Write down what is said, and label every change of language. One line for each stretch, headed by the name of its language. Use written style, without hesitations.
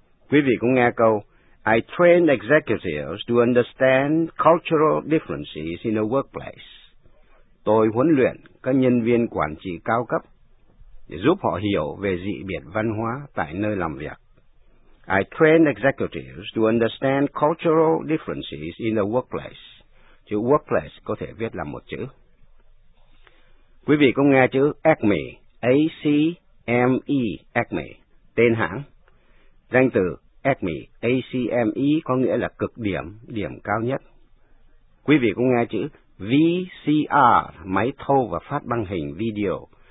Vietnamese: Quý vị cũng nghe câu,
English: I train executives to understand cultural differences in the workplace.
Vietnamese: Tôi huấn luyện các nhân viên quản trị cao cấp để giúp họ hiểu về dị biệt văn hóa tại nơi làm việc.
English: I train executives to understand cultural differences in the workplace.
Vietnamese: Chữ workplace có thể viết là một chữ. Quý vị cũng nghe chữ ACME, A-C-M-E, ACME, tên hãng. Danh từ ACME, A-C-M-E có nghĩa là cực điểm, điểm cao nhất. Quý vị cũng nghe chữ VCR, máy thu và phát băng hình video.